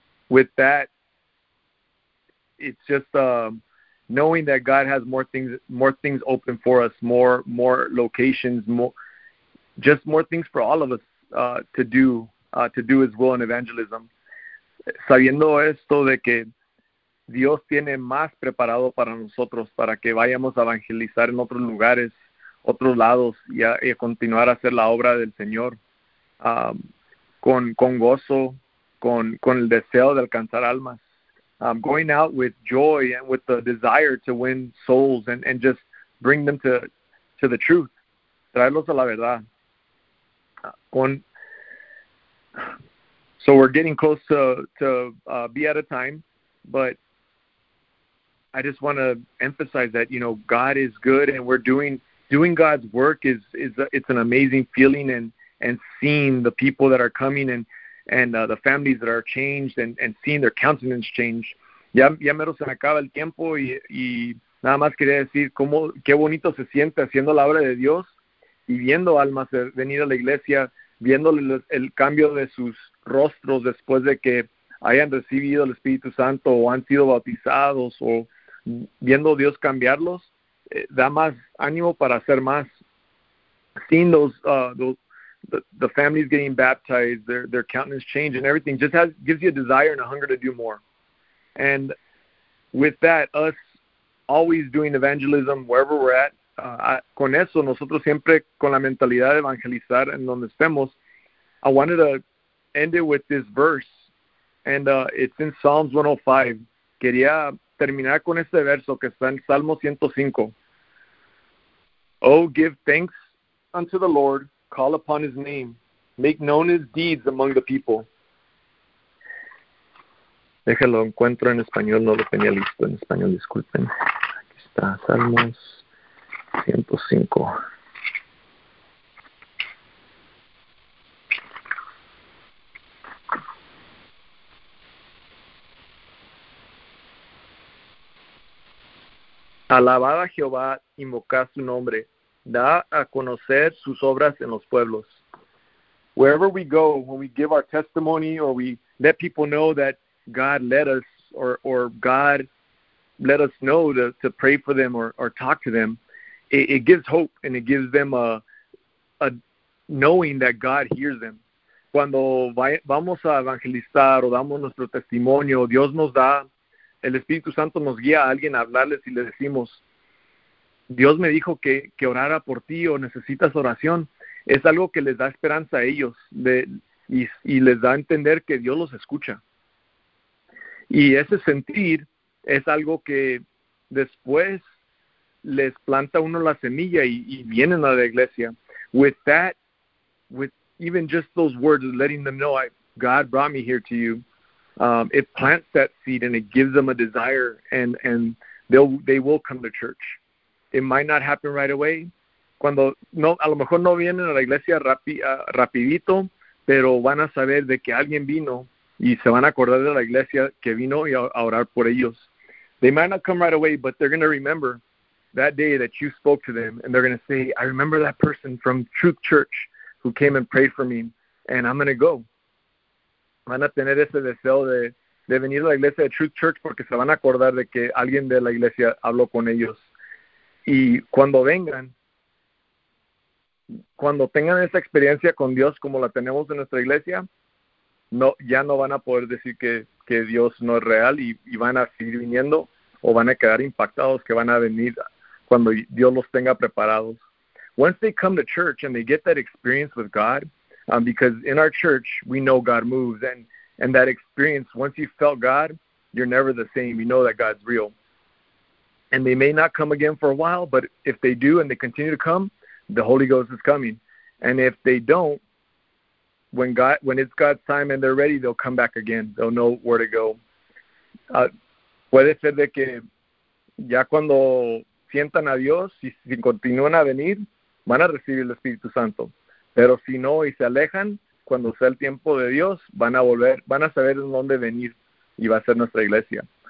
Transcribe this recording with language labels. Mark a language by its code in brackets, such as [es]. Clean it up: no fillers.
[en] With that, it's just knowing that God has more things open for us, more locations, more just more things for all of us to do His will in evangelism. [es] Sabiendo esto de que Dios tiene más preparado para nosotros para que vayamos a evangelizar en otros lugares, otros lados y a continuar a hacer la obra del Señor con gozo, con el deseo de alcanzar almas. [en] Going out with joy and with the desire to win souls and just bring them to the truth, [es] traerlos a la verdad. [en] So we're getting close to be out of time, but I just want to emphasize that God is good and we're doing God's work it's an amazing feeling and seeing the people that are coming and the families that are changed and seeing their countenance change. [es] Ya mero se me acaba el tiempo y nada más quería decir qué bonito se siente haciendo la obra de Dios y viendo almas venir a la iglesia, viendo el cambio de sus rostros después de que hayan recibido el Espíritu Santo o han sido bautizados o viendo Dios cambiarlos, da más ánimo para hacer más. [en] seeing the families getting baptized, their countenance change and everything, just gives you a desire and a hunger to do more. And with that, us always doing evangelism wherever we're at, [es] con eso, nosotros siempre con la mentalidad de evangelizar en donde estemos, [en] I wanted to end it with this verse, and it's in Psalms 105. [es] Quería terminar con este verso que está en Salmo 105. [en] Oh, give thanks unto the Lord, call upon his name, make known his deeds among the people. [es] Déjalo, encuentro en español, no lo tenía listo en español, disculpen. Aquí está, Salmos 105. Alabad a Jehová, invocad su nombre, da a conocer sus obras en los pueblos. [en] Wherever we go, when we give our testimony or we let people know that God led us or God let us know to pray for them or talk to them, it gives hope and it gives them a knowing that God hears them. [es] Cuando vamos a evangelizar o damos nuestro testimonio, Dios nos da, el Espíritu Santo nos guía a alguien a hablarles y le decimos, Dios me dijo que orara por ti o necesitas oración. Es algo que les da esperanza a ellos y les da a entender que Dios los escucha. Y ese sentir es algo que después les planta uno la semilla y vienen a la iglesia. [en] With that, with even just those words, letting them know, God brought me here to you, it plants that seed and it gives them a desire and they will come to church. It might not happen right away. [es] Cuando no, a lo mejor no vienen a la iglesia rapidito, pero van a saber de que alguien vino y se van a acordar de la iglesia que vino y a orar por ellos. [en] They might not come right away, but they're going to remember that day that you spoke to them, and they're going to say, I remember that person from Truth Church who came and prayed for me, and I'm going to go. [es] Van a tener ese deseo de venir a la iglesia de Truth Church porque se van a acordar de que alguien de la iglesia habló con ellos. Y cuando vengan, cuando tengan esa experiencia con Dios como la tenemos en nuestra iglesia, no, ya no van a poder decir que Dios no es real y van a seguir viniendo o van a quedar impactados que van a venir cuando Dios los tenga preparados. [en] Once they come to church and they get that experience with God, because in our church, we know God moves. And that experience, once you felt God, you're never the same. You know that God's real. And they may not come again for a while, but if they do and they continue to come, the Holy Ghost is coming. And if they don't, when it's God's time and they're ready, they'll come back again. They'll know where to go. [es] Puede ser de que ya cuando sientan a Dios y si continúan a venir, van a recibir el Espíritu Santo. Pero si no y se alejan, cuando sea el tiempo de Dios, van a volver, van a saber en dónde venir y va a ser nuestra iglesia.